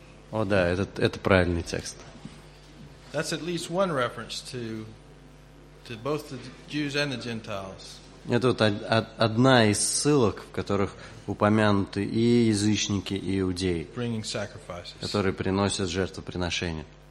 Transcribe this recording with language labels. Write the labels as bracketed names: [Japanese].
[Russian] О, да, это правильный текст. [English] That's at least one reference to both the Jews and the Gentiles. [Russian] Это вот одна из ссылок, в которых упомянуты и язычники, и иудеи, которые приносят жертвоприношения.